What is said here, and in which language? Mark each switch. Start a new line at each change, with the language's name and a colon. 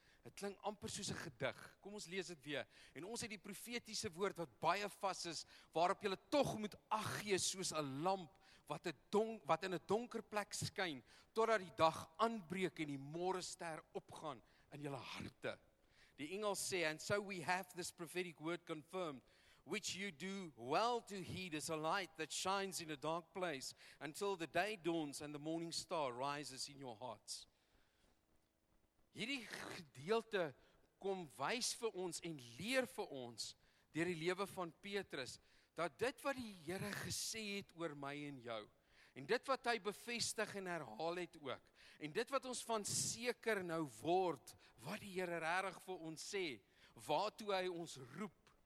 Afrikaans: Dit klink amper soos 'n gedig. Kom ons lees dit weer. En ons het die profetiese woord wat baie vas is, waarop jy tog moet ag gee soos 'n lamp wat in 'n donker plek skyn, totdat die dag aanbreek en die môre ster opgaan in julle harte. Die Engels sê,
English: and so we have this prophetic word confirmed, which you do well to heed as a light that shines in a dark place, until the day dawns and the morning star rises in your hearts.
Afrikaans: Hierdie gedeelte kom wys vir ons en leer vir ons, deur die lewe van Petrus, dat dit wat die Here gesê het oor my en jou, en dit wat hy bevestig en herhaal het ook, en dit wat ons van seker nou word, wat die Here regtig vir ons sê, waartoe hy ons roep,